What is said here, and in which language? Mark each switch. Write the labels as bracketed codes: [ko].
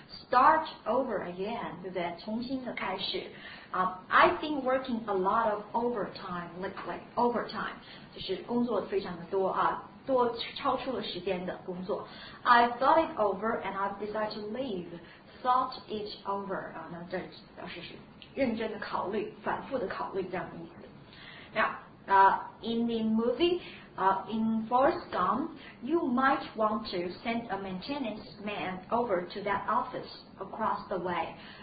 [en] Start over again， [zh] 对不对？重新的开始。 [en] I've been working a lot of overtime lately. [zh] Overtime 就是工作非常的多啊，多超出了时间的工作。 [en] I thought it over and I've decided to leave. Thought it over [zh] 啊，那这表示是。认真的考虑，反复的考虑，这样的意思。 [en] Now, in the movie, in Forrest Gump, you might want to send a maintenance man over to that office across the way.